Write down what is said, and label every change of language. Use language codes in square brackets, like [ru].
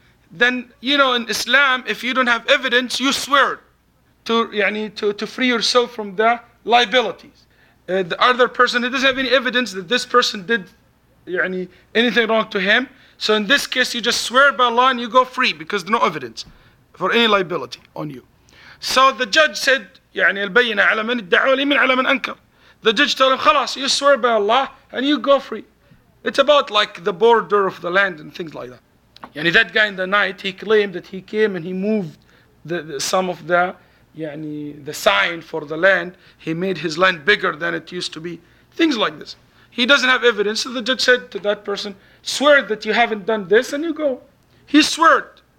[en] Then, you know, in Islam, if you don't have evidence, you swear to, يعني, to free yourself from the liabilities. The other person, he doesn't have any evidence that this person did يعني, anything wrong to him. So in this case, you just swear by Allah and you go free because there's no evidence for any liability on you. So the judge said, [ar] يعني البينة على من ادعى ولي من على من أنكر. [en] The judge told him, خلاص, you swear by Allah and you go free. It's about like the border of the land and things like that. يعني that guy in the night, he claimed that he came and he moved the some of the, يعني, the sign for the land. He made his land bigger than it used to be. Things like this. He doesn't have evidence. So the judge said to that person, swear that you haven't done this and you go. He swore.